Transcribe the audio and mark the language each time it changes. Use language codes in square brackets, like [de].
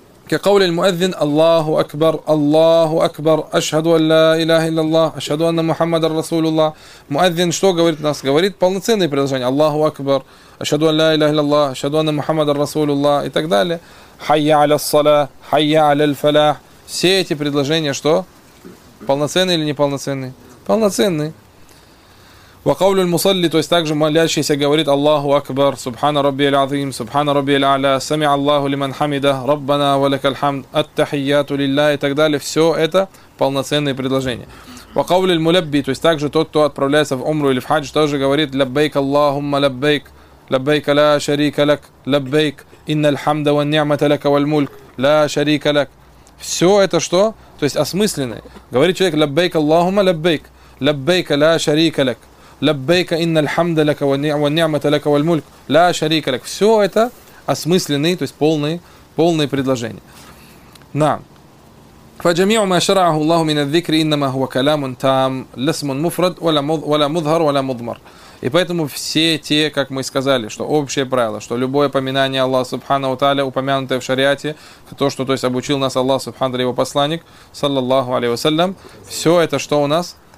[ar] كقول المؤذن الله أكبر أشهد أن لا إله إلا الله أشهد أن محمد رسول الله. [ru] مؤذن что говорит нас? Говорит полноценные предложения. [ar] الله أكبر أشهد أن لا إله إلا الله أشهد أن محمد رسول الله [ru] и так далее. [ar] حي على الصلاة حي على الفلاح. [ru] Все эти предложения что? Полноценные или неполноценные? Полноценные. [ar] وقول المصلي [ru] то есть также молящийся говорит [ar] الله أكبر سبحان ربي العظيم سبحان ربي الأعلى سمع الله لمن حمده ربنا ولك الحمد التحيات لله [ru] и так далее. Все это полноценные предложения. [ar] وقول الملبي [ru] то есть также тот, кто отправляется в умру или в хадж, тоже говорит [ar] لبيك اللهم لبيك لبيك لا شريك لك لبيك إن الحمد والنعمة لك والملك لا شريك لك. [ru] Все это что? То есть осмысленное. Говорит человек [ar] لبيك اللهم لبيك لبيك لا شريك لك لبيك إن الحمد لك والنعمة لك والملك لا شريك لك. [ru] Все это осмысленные, то есть полные предложения. [ar] نعم. فجميع ما شرعه الله من الذكر إنما هو كلام تام لا اسم مفرد ولا مظهر ولا مضمر. [ru] И поэтому все те, как мы сказали, что общее правило, что любое упоминание Аллаха Субханаху Тааля, упомянутое в шариате, то есть обучил нас Аллах Субханаху Тааля, его посланник, саллаллаху алейхи ва саллям, все это что у нас?